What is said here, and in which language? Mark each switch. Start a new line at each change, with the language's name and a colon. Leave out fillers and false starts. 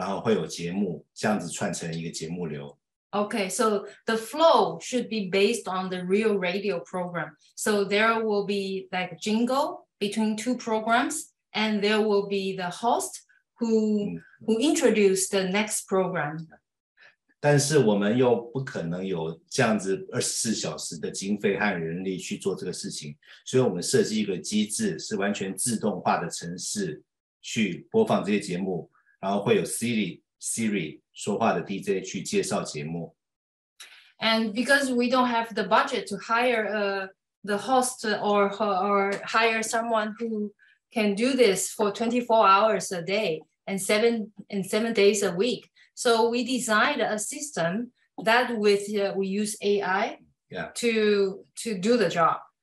Chinese: 然后会有节目，这样子串成一个节目流。
English: Okay, so the flow should be based on the real radio program. So there will be like jingle between two programs, and there will be the host who introduce the next program.
Chinese: 但是我们又不可能有这样子24小时的经费和人力去做这个事情，所以我们设计一个机制，是完全自动化的程式去播放这些节目。然后会有 Siri 说话的 DJ 去介绍节目。
English: And because we don't have the budget to hire the host or hire someone who can do this for 24 hours a day and seven days a week, so we designed a system that with we use AI to do the job.